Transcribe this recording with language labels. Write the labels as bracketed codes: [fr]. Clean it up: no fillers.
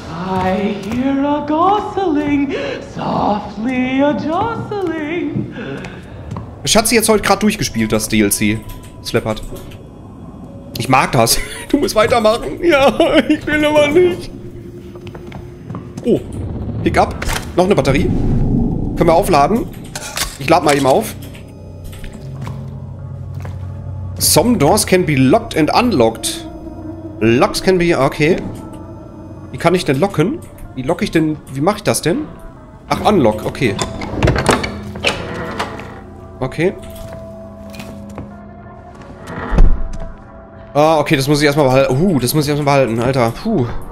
[en] I hear a gosling, softly a jostling. [de] Schatzi hat's heute gerade durchgespielt, das DLC. Slappert. Ich mag das. Du musst weitermachen. Ja, ich will aber nicht. Oh. [en] Pick up. [de] Noch eine Batterie. Können wir aufladen? Ich lad mal eben auf. [en] Some doors can be locked and unlocked. Locks can be... Okay. [de] Wie kann ich denn locken? Wie locke ich denn... Wie mache ich das denn? Ach, unlock. Okay. Okay. Ah, okay. Das muss ich erstmal behalten. Das muss ich erstmal behalten. Alter. Puh.